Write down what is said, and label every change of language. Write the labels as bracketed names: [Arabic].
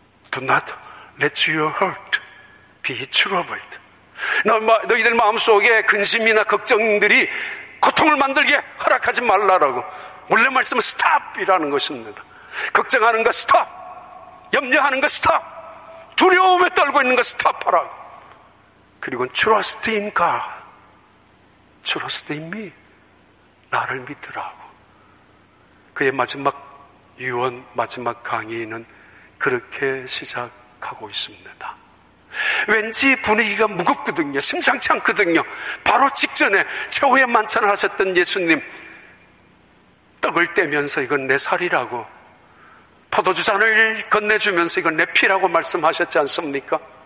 [English] Do not let your heart be troubled. [Korean] 너희들 마음속에 근심이나 걱정들이 고통을 만들게 허락하지 말라라고. 원래 말씀은 stop이라는 것입니다. 걱정하는 거 stop. 염려하는 거 stop. 두려움에 떨고 있는 거 stop하라고. [English] 그리고 trust in God. Trust in me. [Korean] 나를 믿으라고. 그의 마지막 유언, 마지막 강의는 그렇게 시작하고 있습니다. 왠지 분위기가 무겁거든요. 심상치 않거든요. 바로 직전에 최후의 만찬을 하셨던 예수님 떡을 떼면서 이건 내 살이라고 포도주 잔을 건네주면서 이건 내 피라고 말씀하셨지 않습니까?